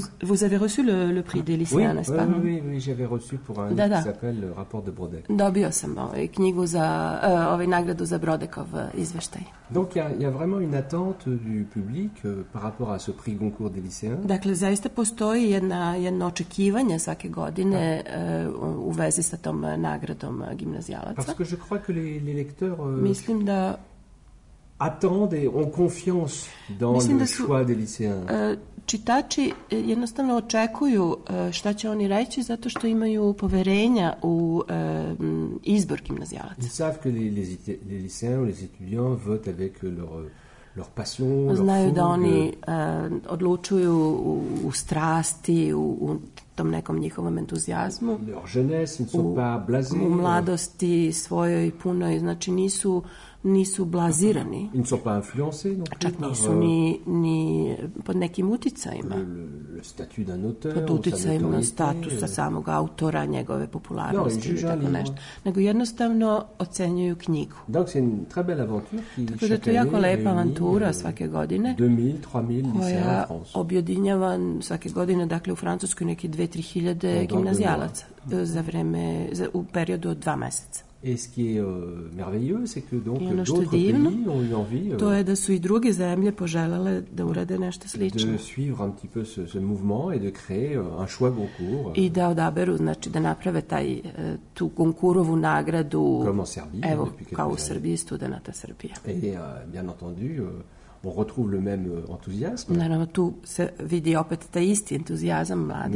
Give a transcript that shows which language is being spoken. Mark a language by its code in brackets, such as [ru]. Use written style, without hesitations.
[fr] Vous avez reçu le prix des lycéens, n'est-ce pas? Oui, j'avais reçu pour un livre qui s'appelle Rapport de Brodeck. [sr] Dobio sam knjigu za ovaj nagradu za Brodeckov izveštaj. [fr] Donc il y a vraiment une attente du public par rapport à ce prix Goncourt des lycéens. [sr] Dakle, zaista postoji jedno očekivanje svake godine u vezi sa tom nagradom gimnazijalaca. [fr] Parce que je crois que les lecteurs [sr] mislim da [fr] attendent et ont confiance dans le choix des lycéens. [sr] Čitači jednostavno očekuju šta će oni reći zato što imaju poverenja u izbor gimnazijalaca. [fr] Ils savent que les lycéens ou les étudiants votent avec leur passion, [sr] znaju da oni odlučuju u strasti, u tom nekom njihovom entuzijazmu. [fr] Leur jeunesse, ils ne sont pas blasés. [sr] U mladosti svojoj punoj, znači nisu blazirani. [fr] Ils ne sont pas influencés non plus. [sr] Čak nisu ni pod nekim uticajima. [fr] Le statut d'un auteur. [sr] Pod uticajima statusa samog autora, njegove popularnosti ili tako nešto. Nego jednostavno ocenjuju knjigu. [fr] Donc c'est une très belle aventure qui chaque année. [sr] To je jako lepa avantura svake godine. [fr] 2000, 3000 lycéens en France. [sr] Koja objedinjava svake godine, dakle u Francuskoj neki 2-3 hiljade gimnazijalaca u periodu od 2 meseca. [fr] Et ce qui est merveilleux, c'est que donc d'autres pays ont eu envie. [sr] To je da su i druge zemlje poželele da urade nešto slično. [fr] De suivre un petit peu ce mouvement et de créer un choix Goncourt. [sr] I da odaberu, znači da naprave tu Goncourovu nagradu. [fr] Comme en Serbie, [sr] evo, kao u Srbiji, studenata Srbije. [fr] Et bien entendu, on retrouve le même enthousiasme. [sr] Naravno, tu se vidi opet taj isti entuzijazam mladih.